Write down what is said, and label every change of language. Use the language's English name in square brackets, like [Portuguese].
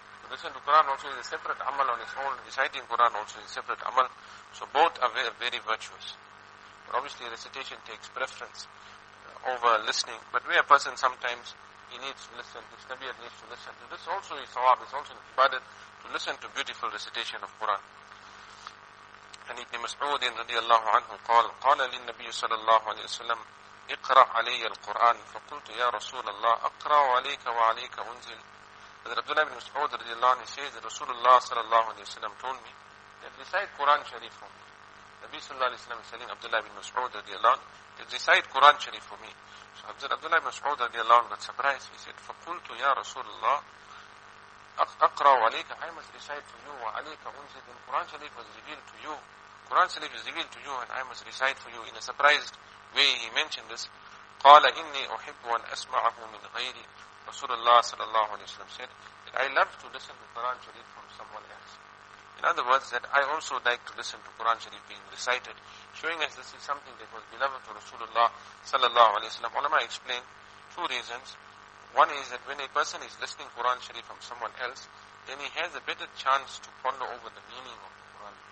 [English] To listen to Quran also is a separate amal on its own, reciting Quran also is a separate amal. So both are very virtuous. But obviously recitation takes preference over listening, but where a person sometimes he needs to listen, his tabiat needs to listen, so this also is sawab, it's also ibadat to listen to beautiful recitation of Quran. [Arabic] And Ibn Mas'ud radiallahu anhu قال للنبي صلى الله عليه وسلم اقرأ علي القرآن فقلت يا رسول الله اقرأ عليك وعليك انزل. [English] Hazrat Abdullah ibn Mas'ud radiallahu anhu says that Rasulullah صلى الله عليه وسلم told me that recite Quran Sharif for me. Nabi صلى الله عليه وسلم is telling Abdullah ibn Mas'ud radiallahu anhu that recite Quran Sharif for me. So Hazrat Abdullah ibn Mas'ud radiallahu anhu got surprised. He said [Arabic] فقلت يا رسول الله أقرأ عليك. [English] I must recite to you [Arabic] وعليك أنزل. [English] The Quran Sharif was revealed to you. Quran Sharif is revealed to you, and I must recite for you. In a surprised way, he mentioned this. [Arabic] قال إني أحب أن أسمعه من غيري. [English] Rasulullah sallallahu alaihi wasallam said that I love to listen to Quran Sharif from someone else. In other words, that I also like to listen to Quran Sharif being recited, showing us this is something that was beloved to Rasulullah sallallahu alaihi wasallam. Ulama explained two reasons. One is that when a person is listening Quran Sharif from someone else, then he has a better chance to ponder over the meaning of the Quran.